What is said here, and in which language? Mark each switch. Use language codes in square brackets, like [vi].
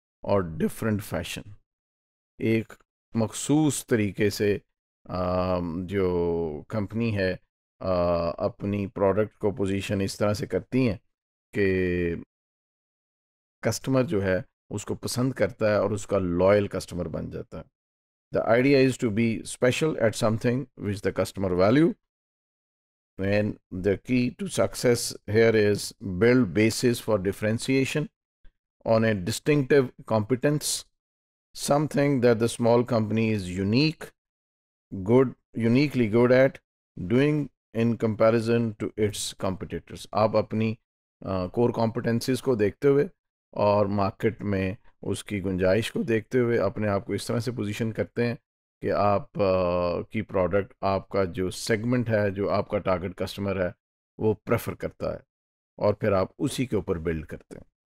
[ur] اور different fashion, ایک مخصوص طریقے سے جو کمپنی ہے اپنی پروڈکٹ کو پوزیشن اس طرح سے کرتی ہیں کہ کسٹمر جو ہے اس کو پسند کرتا ہے اور اس کا لائل کسٹمر بن جاتا ہے. [en] The idea is to be special at something which the customer value and the key to success here is build basis for differentiation on a distinctive competence something that the small company is unique good uniquely good at doing in comparison to its competitors. [ur] آپ اپنی core competencies کو دیکھتے ہوئے اور market میں اس کی گنجائش کو دیکھتے ہوئے اپنے آپ کو اس طرح سے پوزیشن کرتے ہیں کہ آپ کی پروڈکٹ آپ کا جو سیگمنٹ ہے جو آپ کا ٹارگٹ کسٹمر ہے وہ پریفر کرتا ہے اور پھر آپ اسی کے اوپر بلڈ کرتے ہیں.